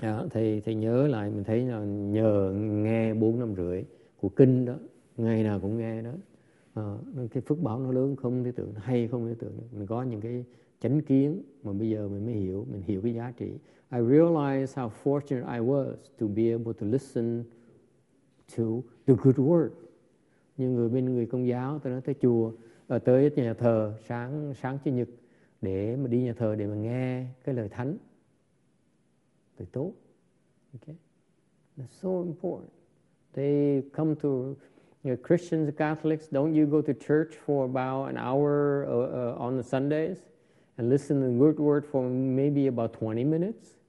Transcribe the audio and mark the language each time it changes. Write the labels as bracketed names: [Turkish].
[Vietnamese] Thầy nhớ lại, mình thấy là nhờ nghe 4 năm rưỡi của kinh đó, ngày nào cũng nghe đó, cái phước báo nó lớn không thể tưởng, hay không thể tưởng. Mình có những cái chánh kiến mà bây giờ mình mới hiểu, mình hiểu cái giá trị. [English] I realized how fortunate I was to be able to listen to the good word. [Vietnamese] Như người bên người Công giáo, tôi nói tới chùa, tới nhà thờ sáng sáng chủ nhật để mà đi nhà thờ để mà nghe cái lời thánh. Thì tốt. Okay. [English] That's so important. They come to, you know, Christians, Catholics, don't you go to church for about an hour on the Sundays and listen to the good word for maybe about 20 minutes?